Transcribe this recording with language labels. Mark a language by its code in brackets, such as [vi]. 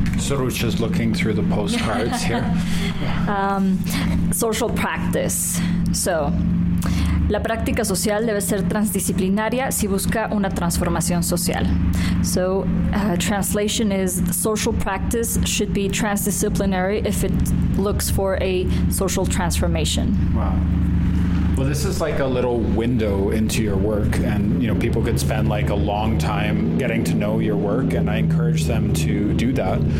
[en] Sorucha's looking through the postcards here. Social practice. [es] So, la práctica social debe ser transdisciplinaria si busca una transformación social. [en] So, translation is social practice should be transdisciplinary if it looks for a social transformation. Wow. Well, this is like a little window into your work, and you know, people could spend like a long time getting to know your work, and I encourage them to do that.